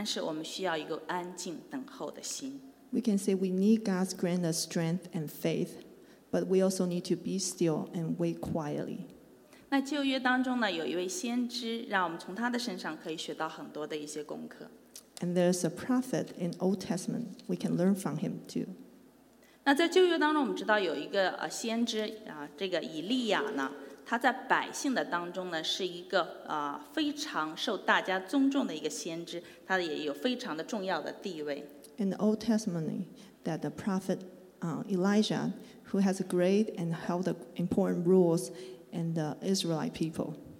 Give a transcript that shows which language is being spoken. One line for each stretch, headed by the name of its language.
Chinese: 所以我们需要在上帝的面前，上帝赐给我们信心和力量，但是我们需要一个安静等候的心。
English: We can say we need God's grant us strength and faith, but we also need to be still and wait quietly.
Chinese: 那旧约当中呢，有一位先知，让我们从他的身上可以学到很多的一些功课。
English: And there's a prophet in Old Testament we can learn from him too.
Chinese: 那在旧约当中，我们知道有一个先知，这个以利亚呢。他在百姓的当中呢，是一个非常受大家尊重的一个先知，他也有非常的重要的地位。
English: In the Old Testament, that the prophet Elijah, who has a great and held important roles in the Israelite people.